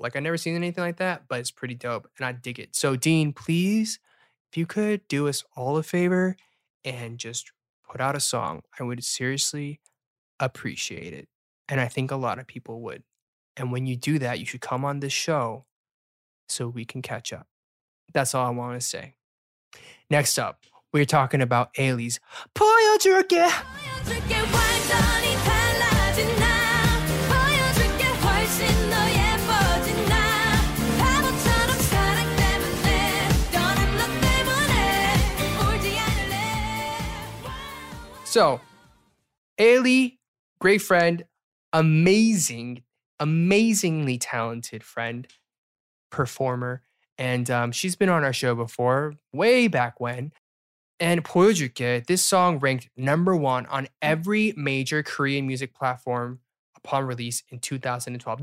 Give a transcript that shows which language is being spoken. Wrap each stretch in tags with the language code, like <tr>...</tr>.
<en>Like, I've never seen anything like that, but it's pretty dope and I dig it. So Dean, please, if you could do us all a favor and just put out a song, I would seriously appreciate it. And I think a lot of people would. And when you do that, you should come on this show so we can catch up. That's all I want to say. Next up, we're talking about Ailee's 보여줄게.</en> <ko>보여줄게 완전히 달라진 나. 보여줄게 훨씬 더 예뻐진 나. 바보처럼 사랑 때문에 떠난 너 때문에 울지 않을래.</ko> <en>So, Ailee, great friend, amazing, amazingly talented friend, performer. And she's been on our show before, way back when. And 보여줄게, this song ranked number one on every major Korean music platform upon release in 2012.</en>